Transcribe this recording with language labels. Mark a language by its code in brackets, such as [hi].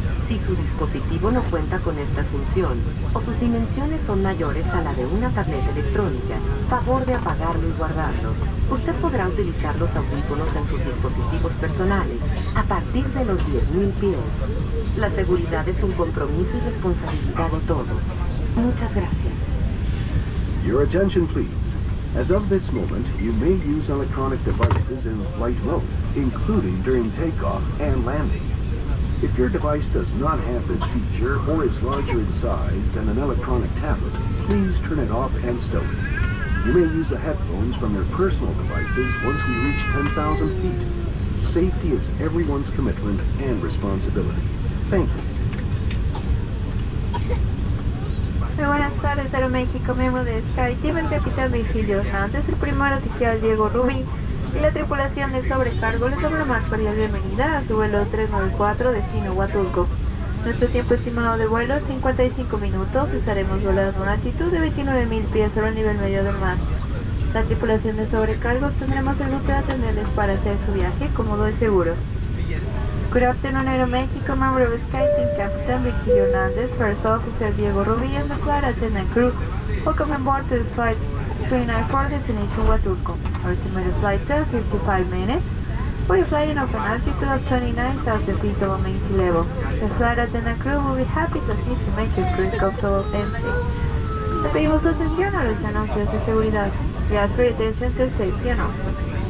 [es] Si su dispositivo no cuenta con esta función, o sus dimensiones son mayores a la de una tableta electrónica, favor de apagarlo y guardarlo. Usted podrá utilizar los audífonos en sus dispositivos personales a partir de los 10.000 pies. La seguridad es un compromiso y responsabilidad de todos. Muchas gracias. [en] Your attention, please. As of this moment, you may use electronic devices in flight mode, including during takeoff and landing. If your device does not have this feature or is larger in size than an electronic tablet, please turn it off and stow it. You may use the headphones from your personal devices once we reach 10,000 feet. Safety is everyone's commitment and responsibility. Thank you. [es] Muy buenas tardes, Aeroméxico, miembro de SkyTeam, el capitán Virgilio Hernández, el primer oficial Diego Rubí y la tripulación de sobrecargo les damos la más cordial bienvenida a su vuelo 394 destino Huatulco. Nuestro tiempo estimado de vuelo es 55 minutos, estaremos volando a una altitud de 29.000 pies sobre el nivel medio del mar. La tripulación de sobrecargo tendremos el gusto de atenderles para hacer su viaje cómodo y seguro. [en] Good afternoon, Aeroméxico, member of SkyTeam, Captain Vicky Hernandez, First Officer Diego Rubí, and the flight attendant crew. Welcome aboard to the flight 394 destination Huatulco. Our estimated flight time 55 minutes. We are flying off an altitude of 29,000 feet above main sea level. The flight attendant crew will be happy to assist to make your crew comfortable and safe. [es] Le pedimos su atención a los anuncios de seguridad. [en] We ask for your attention to safety announcements.